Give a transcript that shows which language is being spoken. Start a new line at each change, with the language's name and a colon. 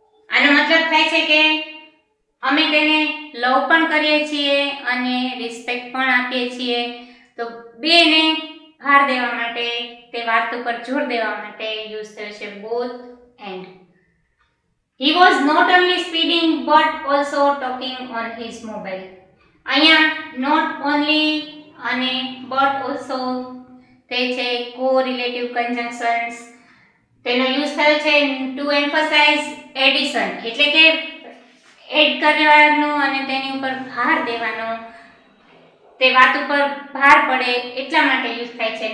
Gujarati: આનો મતલબ થાય છે કે અમે તેને લવ પણ કરીએ છીએ અને રિસ્પેક્ટ પણ આપીએ છીએ, તો બેને ભાર દેવા માટે, તે વાત ઉપર જોર દેવા માટે યુઝ થયો છે both and.
English: He was not only speeding but also talking on his mobile.
Gujarati: અહીંયા not only અને but also તે છે કોરિલેટિવ કન્જંક્શન્સ. તેનો યુઝ થયો છે ટુ એમ્ફસાઇઝ એડિશન, એટલે કે એડ કરવાનો અને તેની ઉપર ભાર દેવાનો, તે વાત ઉપર ભાર પડે એટલા માટે યુઝ થાય છે.